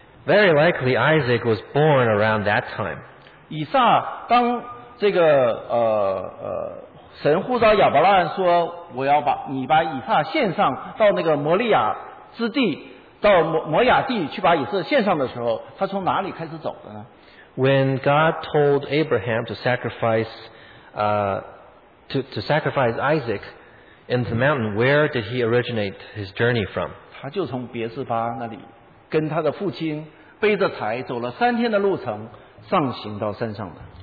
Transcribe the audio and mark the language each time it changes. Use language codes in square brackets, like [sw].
[en] Very likely Isaac was born around that time. [zh] 以撒当这个神呼召亚伯拉罕说：“我要把你把以撒献上到那个摩利亚之地，到摩亚地去把以色列献上的时候，他从哪里开始走的呢？” [en] When God told Abraham to sacrifice, to sacrifice Isaac in the mountain, where did he originate his journey from? [zh] 他就从别士巴那里，跟他的父亲背着柴走了三天的路程，上行到山上的。